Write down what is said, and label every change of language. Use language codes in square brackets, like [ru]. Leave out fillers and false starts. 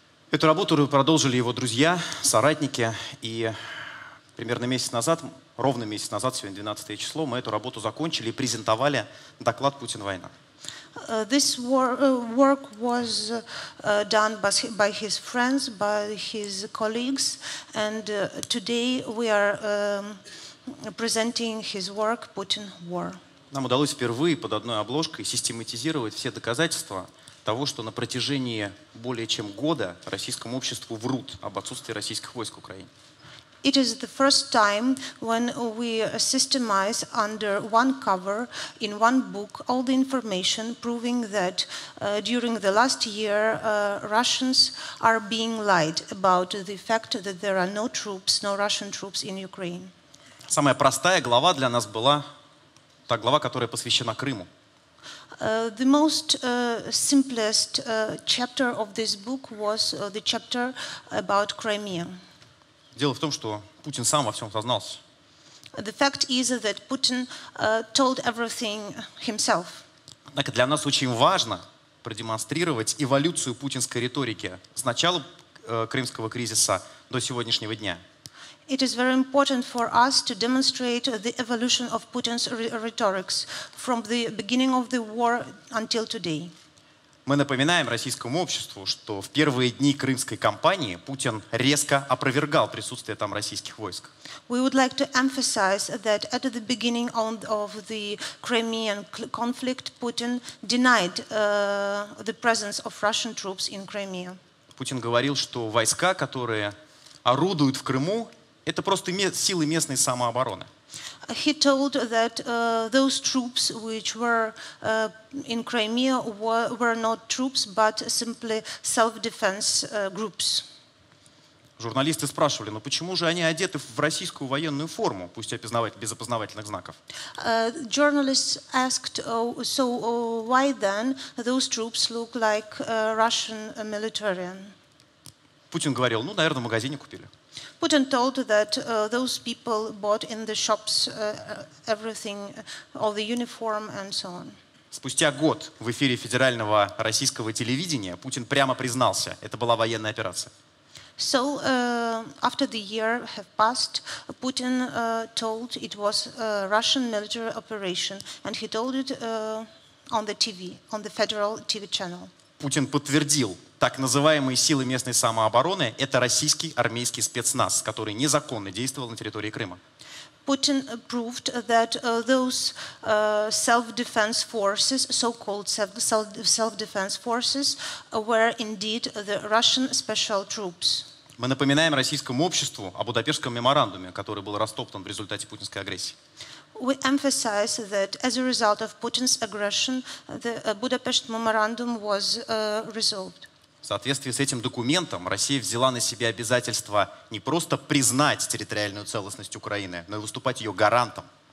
[ru] Эту работу продолжили его друзья, соратники, и примерно месяц назад, ровно месяц назад, сегодня 12 число, мы эту работу закончили и презентовали доклад «Путин. Война». [en] This work was done by his friends, by his colleagues, and today we are presenting his work, Putin War. [ru] Нам удалось впервые под одной обложкой систематизировать все доказательства того, что на протяжении более чем года российскому обществу врут об отсутствии российских войск в Украине. [en] It is the first time when we systemize under one cover, in one book, all the information proving that during the last year Russians are being lied about the fact that there are no troops, no Russian troops in Ukraine. [ru] Самая простая глава для нас была та глава, которая посвящена Крыму. [en] The most simplest chapter of this book was the chapter about Crimea. [ru] Дело в том, что Путин сам во всем сознался. [en] The fact is that Putin told everything himself. [ru] Однако для нас очень важно продемонстрировать эволюцию путинской риторики. Сначала Крымского кризиса до сегодняшнего дня. [en] It is very important for us to demonstrate the evolution of Putin's rhetorics from the beginning of the war until today. [ru] Мы напоминаем российскому обществу, что в первые дни Крымской кампании Путин резко опровергал присутствие там российских войск. [en] We would like to emphasize that at the beginning of the Crimean conflict, Putin denied the presence of Russian troops in Crimea. [ru] Путин говорил, что войска, которые орудуют в Крыму, это просто силы местной самообороны. [en] He told that those troops which were in Crimea were not troops, but simply self-defense groups. [ru] Журналисты спрашивали, ну почему же они одеты в российскую военную форму, пусть без опознавательных знаков? [en] Journalists asked, why then those troops look like Russian military? [ru] Путин говорил, ну, наверное, в магазине купили. [en] Putin told that those people bought in the shops everything, all the uniform and so on. [ru] Спустя год в эфире федерального российского телевидения Путин прямо признался, это была военная операция. [en] So after the year have passed, Putin told it was a Russian military operation, and he told it on the TV, on the federal TV channel. [ru] Путин подтвердил. Так называемые силы местной самообороны – это российский армейский спецназ, который незаконно действовал на территории Крыма. [en] Putin proved that those self-defense forces, so-called self-defense forces, were indeed the Russian special troops. [ru] Мы напоминаем российскому обществу о Будапештском меморандуме, который был растоптан в результате путинской агрессии. [en] We emphasize that as a result of Putin's aggression, the Budapest memorandum was resolved. [ru] В соответствии с этим документом Россия взяла на себя обязательство не просто признать территориальную целостность Украины, но и выступать ее гарантом.